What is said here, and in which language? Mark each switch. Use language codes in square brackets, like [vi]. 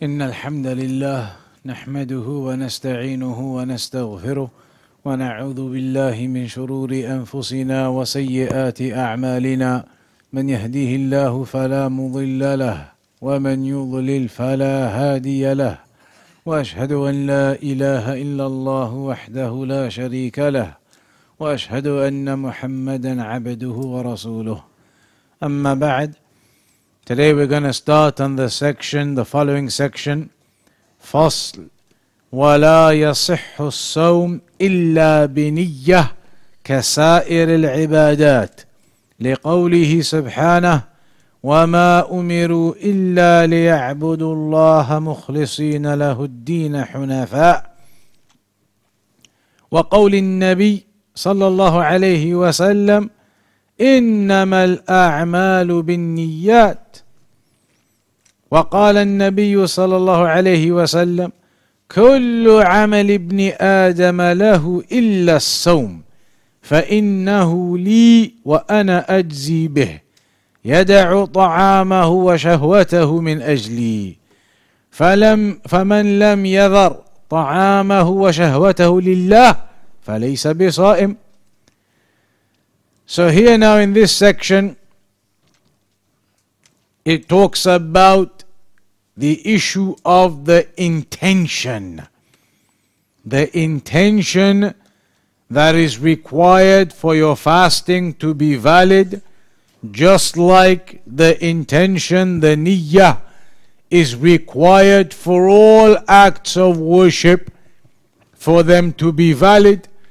[ar] إن الحمد لله نحمده ونستعينه ونستغفره ونعوذ بالله من شرور أنفسنا وسيئات أعمالنا من يهديه الله فلا مضل له ومن يضلل فلا هادي له وأشهد أن لا إله إلا الله وحده لا شريك له وأشهد أن محمدا عبده ورسوله أما بعد. [en] Today we're going to start on the following section, Fasl. [ar] وَلَا يَصِحُّ الصَّوْمُ إِلَّا بِنِيَّةِ كَسَائِرِ الْعِبَادَاتِ لِقَوْلِهِ سُبْحَانَهُ وَمَا أُمِرُوا إِلَّا لِيَعْبُدُوا اللَّهَ مُخْلِصِينَ لَهُ الدِّينَ حُنَفَاءَ وَقَوْلِ النَّبِي صلى الله عليه وسلم إنما الأعمال بالنيات وقال النبي صلى الله عليه وسلم كل عمل ابن آدم له إلا الصوم فإنه لي وأنا أجزي به يدع طعامه وشهوته من أجلي فمن لم يذر طعامه وشهوته لله فليس بصائم. [en] So here now in this section, it talks about the issue of the intention that is required for your fasting to be valid, just like the intention, the niyyah, is required for all acts of worship for them to be valid.